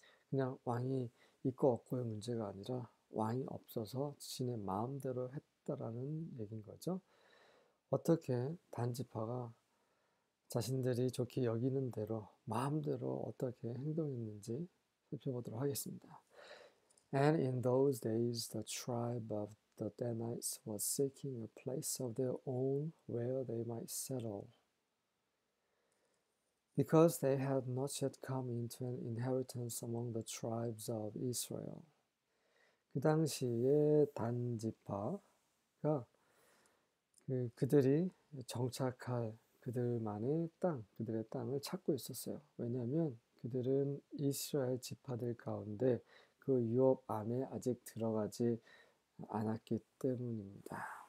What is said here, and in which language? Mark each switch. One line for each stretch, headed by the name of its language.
Korean: 그냥 왕이 있고 없고의 문제가 아니라 왕이 없어서 자신의 마음대로 했다라는 얘기인 거죠. 어떻게 단지파가 자신들이 좋게 여기는 대로 마음대로 어떻게 행동했는지 살펴보도록 하겠습니다.
English: And in those days, the tribe of the Danites was seeking a place of their own where they might settle. Because they had not yet come into an inheritance among the tribes of Israel.
Korean: 그 당시에 단지파가 그들이 정착할 그들만의 땅, 그들의 땅을 찾고 있었어요. 왜냐하면 그들은 이스라엘 지파들 가운데 그 유업 안에 아직 들어가지 않았기 때문입니다.